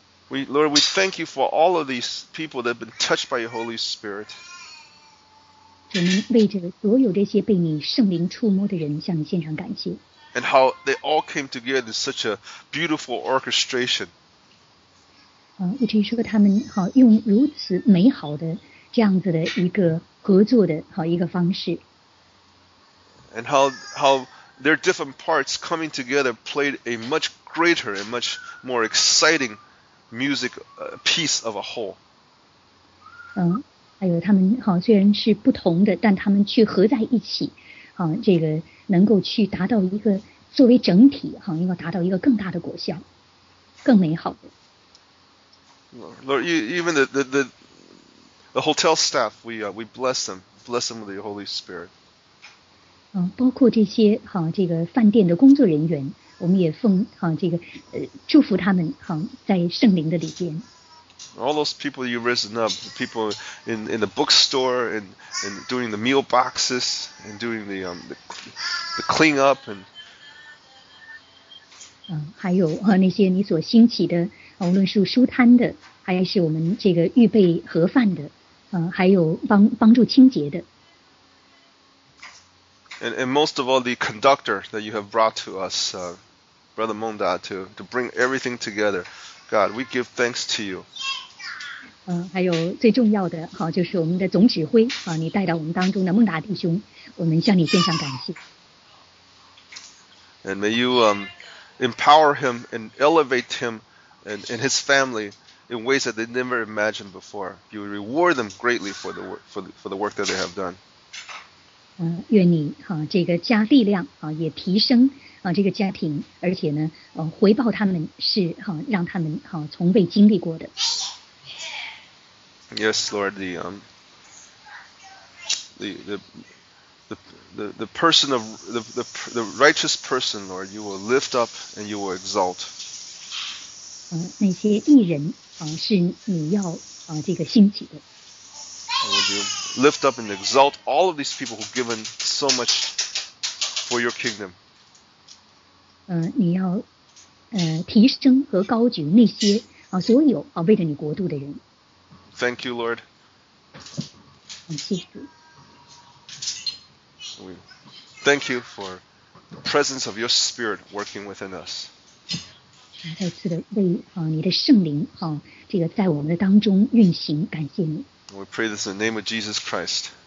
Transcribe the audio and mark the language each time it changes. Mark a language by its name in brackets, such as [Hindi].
[English] Lord, we thank you for all of these people that have been touched by your Holy Spirit. [Chinese] 我们为着所有这些被你圣灵触摸的人向你献上感谢。 [English] And how they all came together in such a beautiful orchestration. [Chinese] 以至于说他们用如此美好的这样子的一个合作的一个方式。 [English] And how their different parts coming together played a much greater and much more exciting music piece of a whole. [Chinese] 还有他们虽然是不同的，但他们却合在一起，这个能够去达到一个作为整体，能够达到一个更大的果效，更美好的。 [English] Lord, even the hotel staff, we bless them with your Holy Spirit. [Chinese] 包括这些这个饭店的工作人员，我们也奉这个祝福他们在圣灵的里边。 [English] All those people you risen up, people in the bookstore and doing the meal boxes and doing the clean up and. [Chinese] 还有那些你所兴起的，无论是书摊的。还是我们这个预备盒饭的，还有帮助清洁的。 [English] And most of all, the conductor that you have brought to us, Brother Mongda, to bring everything together. God, we give thanks to you. [Chinese] 还有最重要的，就是我们的总指挥，你带到我们当中的孟达弟兄，我们向你献上感谢。 [English] And may you empower him and elevate him and his family. In ways that they never imagined before, you reward them greatly for the work that they have done. [Chinese] 愿你这个加力量也提升这个家庭，而且呢回报他们是让他们从未经历过的。 [English] Yes, Lord, the person of the righteous person, Lord, you will lift up and you will exalt. [Chinese] 那些义人。是你要这个兴起的。 [English] Would you lift up and exalt all of these people who've given so much for your kingdom? [Chinese] 你要提升和高举那些所有为着你国度的人。 [English] Thank you, Lord. [Chinese] 谢谢主。 [English] We thank you for the presence of your Spirit working within us. [Chinese] 再次的为你的圣灵这个在我们的当中运行，感谢你。 [English] We pray this in the name of Jesus Christ.